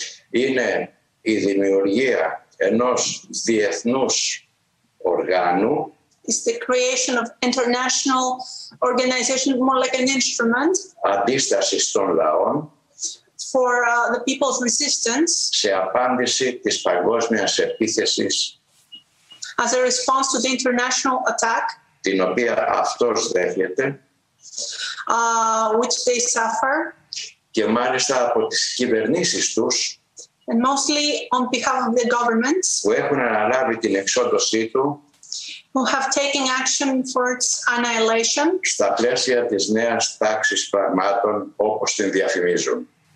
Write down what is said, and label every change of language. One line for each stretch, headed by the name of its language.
Greek: είναι η δημιουργία ενός διεθνούς οργάνου,
English: is the creation of international organization, more like an instrument,
Greek: αντίστασης των λαών,
English: for the people's resistance,
Greek: σε απάντηση της παγκόσμιας επίθεσης,
English: as a response to the international attack,
Greek: την οποία αυτός δέχεται,
English: which they suffer,
Greek: και μάλιστα από τις κυβερνήσεις τους,
English: and mostly on behalf of the governments,
Greek: που έχουν αναλάβει την εξόντωσή του,
English: who have taken action for its annihilation,
Greek: στα πλαίσια της νέας τάξης πραγμάτων όπως την διαφημίζουν.